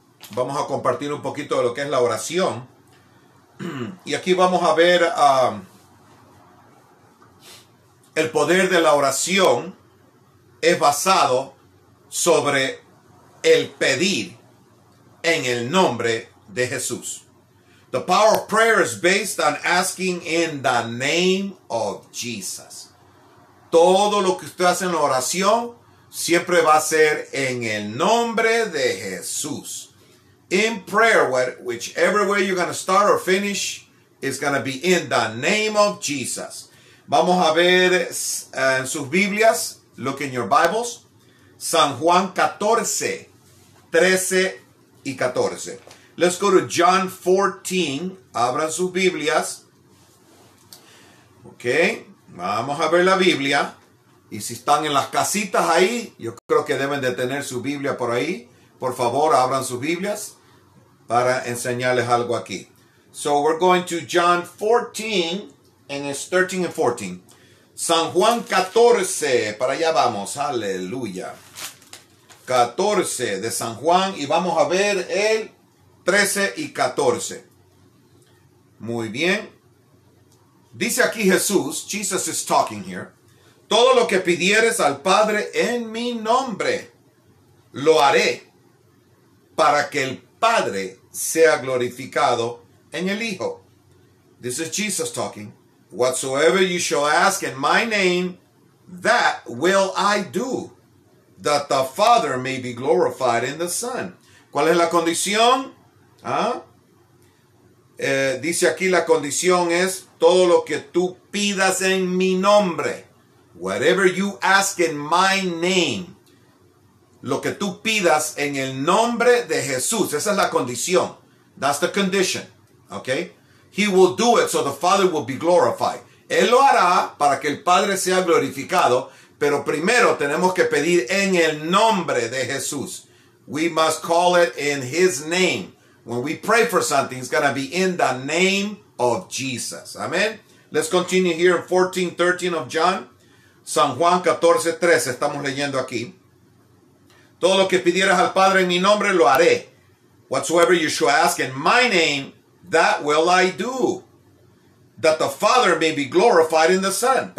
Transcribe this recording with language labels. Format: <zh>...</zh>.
<es>Vamos a compartir un poquito de lo que es la oración. Y aquí vamos a ver el poder de la oración es basado sobre el pedir en el nombre de Jesús.</es> <en>The power of prayer is based on asking in the name of Jesus.</en> <es>Todo lo que usted hace en la oración siempre va a ser en el nombre de Jesús.</es> <en>In prayer, whichever way you're going to start or finish, is going to be in the name of Jesus.</en> <es>Vamos a ver en sus Biblias,</es> <en>look in your Bibles,</en> <es>San Juan 14, 13 y 14.</es> <en>Let's go to John 14.</en> <es>Abran sus Biblias.</es> <en>Ok.</en> <es>Vamos a ver la Biblia. Y si están en las casitas ahí, yo creo que deben de tener su Biblia por ahí. Por favor, abran sus Biblias para enseñarles algo aquí.</es> <en>So we're going to John 14 and it's 13 and 14.</en> <es>San Juan 14. Para allá vamos. Aleluya. 14 de San Juan. Y vamos a ver el 13 y 14. Muy bien. Dice aquí Jesús,</es> <en>Jesus is talking here.</en> <es>Todo lo que pidieres al Padre en mi nombre, lo haré para que el Padre sea glorificado en el Hijo.</es> <en>This is Jesus talking. Whatsoever you shall ask in my name, that will I do, that the Father may be glorified in the Son.</en> <es>¿Cuál es la condición? ¿Ah? Dice aquí la condición es todo lo que tú pidas en mi nombre.</es> <en>Whatever you ask in my name.</en> <es>Lo que tú pidas en el nombre de Jesús. Esa es la condición.</es> <en>That's the condition. Okay? He will do it so the Father will be glorified.</en> <es>Él lo hará para que el Padre sea glorificado. Pero primero tenemos que pedir en el nombre de Jesús.</es> <en>We must call it in his name. When we pray for something, it's going to be in the name of Jesus. Amen. Let's continue here in 14:13 of John.</en> <es>San Juan 14:13. Estamos leyendo aquí. Todo lo que pidieras al Padre en mi nombre, lo haré.</es> <en>Whatsoever you shall ask in my name, that will I do. That the Father may be glorified in the Son.</en>